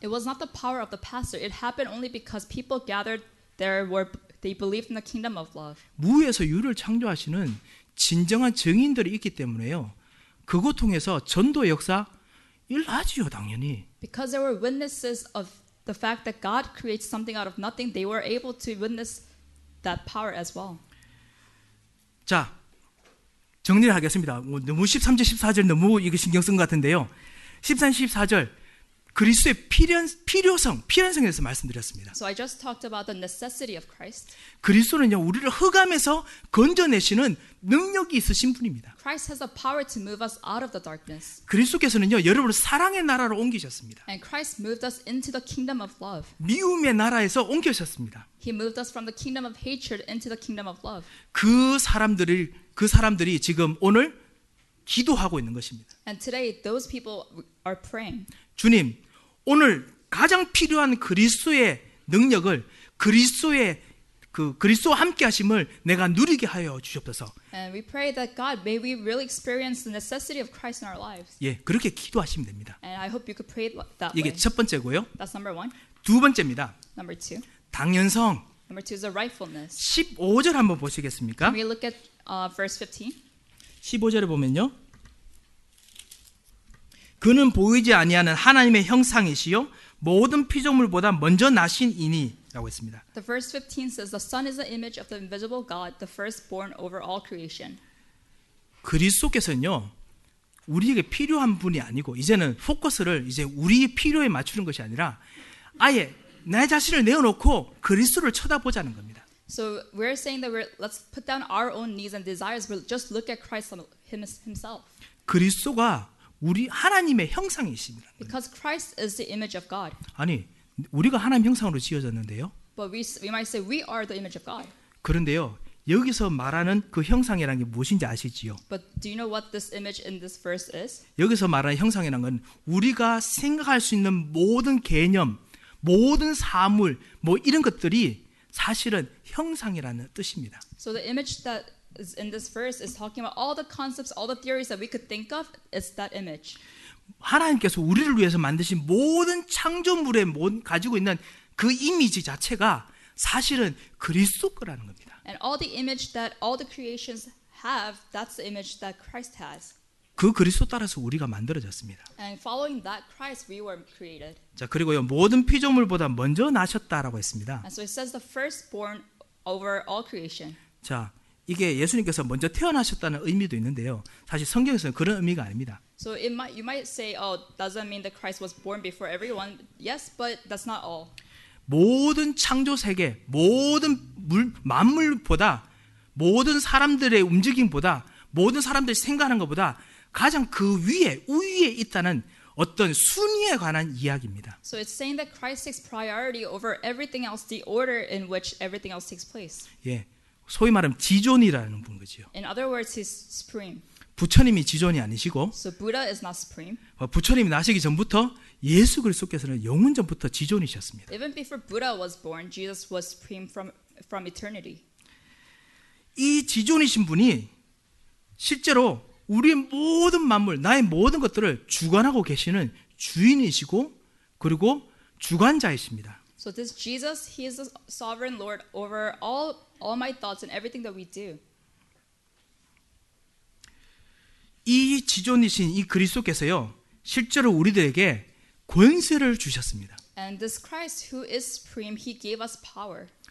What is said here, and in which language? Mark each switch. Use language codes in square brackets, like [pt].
[en] It was not the power of the pastor. It happened only because people gathered there were they believed in the kingdom of love. [ko] 무에서 유를 창조하시는 진정한 증인들이 있기 때문에요. 그거 통해서 전도 역사 일어나지요, 당연히. [en] Because there were witnesses of the fact that God creates something out of nothing, they were able to witness that power as well. [ko] 자, 정리를 하겠습니다. 너무 13절, 14절 너무 이게 신경 쓴 것 같은데요. 13, 14절 그리스도의 필요성, 필연성에 대해서 말씀드렸습니다. [en] So I just talked about the necessity of Christ. [ko] 그리스도는요, 우리를 흑암에서 건져내시는 능력이 있으신 분입니다. [en] Christ has the power to move us out of the darkness. [ko] 그리스도께서는요, 여러분을 사랑의 나라로 옮기셨습니다. [en] And Christ moved us into the kingdom of love. [ko] 미움의 나라에서 옮기셨습니다. [en] He moved us from the kingdom of hatred into the kingdom of love. [ko] 그 사람들이 지금 오늘 기도하고 있는 것입니다. [en] And today those people are praying. [ko] 주님, 오늘 가장 필요한 그리스도의 능력을 그리스도와 함께 하심을 내가 누리게 하여 주시옵소서. [en] And we pray that God may we really experience the necessity of Christ in our lives. [ko] 예, 그렇게 기도하시면 됩니다. [en] And I hope you could pray that way. [ko] 이게 첫 번째고요. [en] That's number one. [ko] 두 번째입니다. [en] Number two. [ko] 당연성. [en] Number two is the rightfulness. [ko] 15절 한번 보시겠습니까? [en] Can we look at verse 15? [ko] 15절에 보면요. 그는 보이지 아니하는 하나님의 형상이시요 모든 피조물보다 먼저 나신 이니라고 했습니다. [en] The verse 15 says the Son is the image of the invisible God, the firstborn over all creation. [ko] 그리스도께서는요 우리에게 필요한 분이 아니고 이제는 포커스를 이제 우리의 필요에 맞추는 것이 아니라 아예 내 자신을 내어놓고 그리스도를 쳐다보자는 겁니다. [en] So we're saying that let's put down our own needs and desires, but just look at Christ himself. [ko] 그리스도가 우리 하나님의 형상이십니다. [en] Because Christ is the image of God. [ko] 아니, 우리가 하나님 형상으로 지어졌는데요. [en] But we might say we are the image of God. [ko] 그런데요, 여기서 말하는 그 형상이라는 게 무엇인지 아시지요? [en] But do you know what this image in this verse is? [ko] 여기서 말하는 형상이라는 건 우리가 생각할 수 있는 모든 개념, 모든 사물, 뭐 이런 것들이 사실은 형상이라는 뜻입니다. [en] So the image that is in this verse is talking about all the concepts, all the theories that we could think of. It's that image. [ko] 하나님께서 우리를 위해서 만드신 모든 창조물에 가지고 있는 그 이미지 자체가 사실은 그리스도 거라는 겁니다. [en] And all the image that all the creations have, that's the image that Christ has. [ko] 그 그리스도 따라서 우리가 만들어졌습니다. [en] And following that Christ, we were created. [ko] 자 그리고요 모든 피조물보다 먼저 나셨다라고 했습니다. [en] And so it says the firstborn over all creation. [ko] 자 이게 예수님께서 먼저 태어나셨다는 의미도 있는데요. 사실 성경에서는 그런 의미가 아닙니다. [en] So it might you might say, oh, doesn't mean that Christ was born before everyone. Yes, but that's not all. [ko] 모든 창조 세계, 모든 만물보다 모든 사람들의 움직임보다 모든 사람들이 생각하는 것보다 가장 그 위에 우위에 있다는 어떤 순위에 관한 이야기입니다. [en] So it's saying that Christ takes priority over everything else, the order in which everything else takes place. [ko] 예. 소위 말하면 지존이라는 분 거죠. [en] In other words, he's supreme. [ko] 부처님이 지존이 아니시고 [en] So Buddha is not supreme. [ko] 부처님이 나시기 전부터 예수 그리스도께서는 영원 전부터 지존이셨습니다. [en] Even before Buddha was born, Jesus was supreme from eternity. [ko] 이 지존이신 분이 실제로 우리의 모든 만물, 나의 모든 것들을 주관하고 계시는 주인이시고 그리고 주관자이십니다. [en] So this Jesus, he is the sovereign Lord over all my thoughts and everything that we do. [ko] 이 지존이신 이 그리스도께서요, 실제로 우리들에게 권세를 주셨습니다. [en] And this Christ who is supreme, he gave us power.